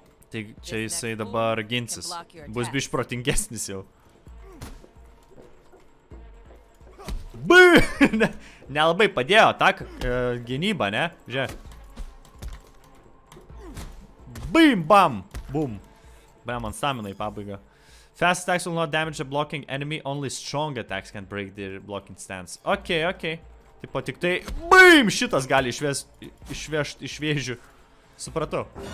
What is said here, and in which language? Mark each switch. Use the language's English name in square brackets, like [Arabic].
[Lithuanian] Tai čia jisai dabar ginsis. Bus biš protingesnis jau. Bum! Nelabai padėjo, tak, gynyba, ne? Žiūrėk. Bim, bam, bum. Bam, on stamina į pabaigą. [English] Fast attacks will not damage a blocking enemy, only strong attacks can break their blocking stance. Okay, okay. [Lithuanian] Taip pat tik tai, bim, šitas gali išvežti iš vėžių. Supratau.